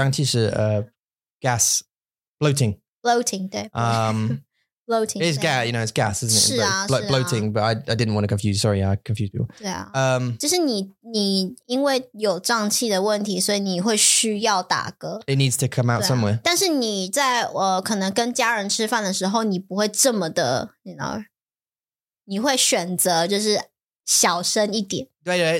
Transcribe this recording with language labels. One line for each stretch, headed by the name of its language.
Chinese: 这也不是你的坏习惯，这是你的胀气的问题。对啊，我有很多胀气，胀气是gas,
English: bloating. Bloating, 对, bloating. It's gas, you know, it's gas, isn't it?
Chinese: 是啊，是啊。
English: Bloating, but I didn't want to confuse, sorry, I confused people.
Chinese: 对啊，就是你因为有胀气的问题，所以你会需要打嗝。It
English: needs to come out somewhere.
Chinese: 但是你在可能跟家人吃饭的时候，你不会这么的,
English: you know,
Chinese: 你会选择就是小声一点。对对,